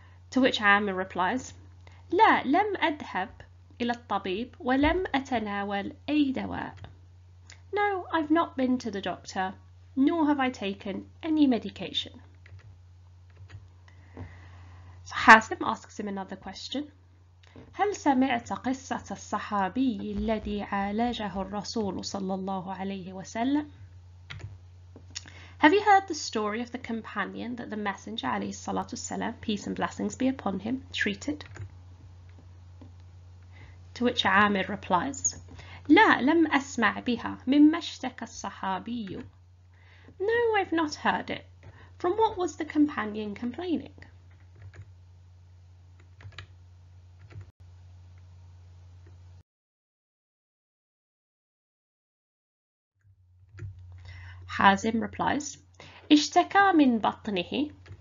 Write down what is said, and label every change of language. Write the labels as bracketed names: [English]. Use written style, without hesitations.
[English] To which Amir replies, [Arabic] La lam adhab ila al-tabib wa lam atanawal ay dawa'. [English] No, I've not been to the doctor. Nor have I taken any medication. So Hazim asks him another question. [Arabic] هل سمعت قصة الصحابي الذي عالجه الرسول صلى الله عليه وسلم? [English] Have you heard the story of the companion that the messenger [Arabic] عليه الصلاة والسلام, [English] peace and blessings be upon him, treated? To which Amir replies, [Arabic] لا لم أسمع بها مما اشتكى الصحابي. [English] No, I've not heard it. From what was the companion complaining? [Arabic] Hazim [English] replies, [Arabic] Ishtaka min batnihi.